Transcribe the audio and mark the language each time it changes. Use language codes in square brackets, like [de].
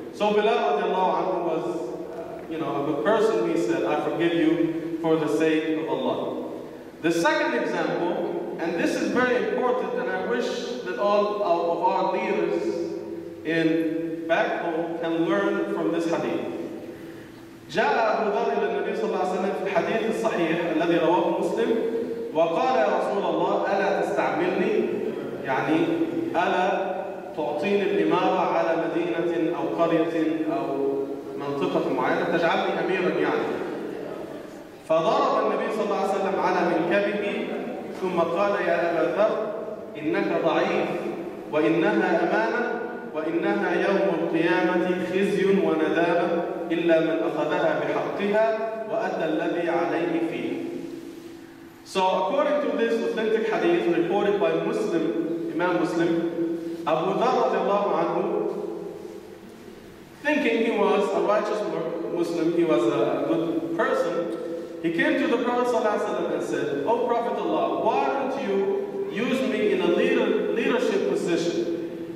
[en] So Bilal radiallahu anhu was, you know, a good person. He said, I forgive you for the sake of Allah. The second example, and this is very important, and I wish that all of our leaders in back home can learn from this hadith. [ar] جاء أبو ذر إلى النبي صلى الله عليه وسلم في الحديث الصحيح الذي رواه مسلم وقال يا رسول الله ألا تستعملني يعني ألا تعطيني الإمارة على مدينة أو قرية أو منطقة معينة تجعلني أميرا يعني فضرب النبي صلى الله عليه وسلم على منكبه ثم قال يا أبا ذر إنك ضعيف وإنها أمانة وإنها يوم القيامة خزي وندامة إلا من أخذها بحقها وأدى الذي عليه فيه. [en] So according to this authentic hadith reported by Muslim, Imam Muslim, Abu Dharr radiallahu anhu, thinking he was a righteous Muslim, he was a good person, he came to the Prophet sallallahu alaihi wasallam and said, O Prophet Allah, why don't you use me in a leadership position?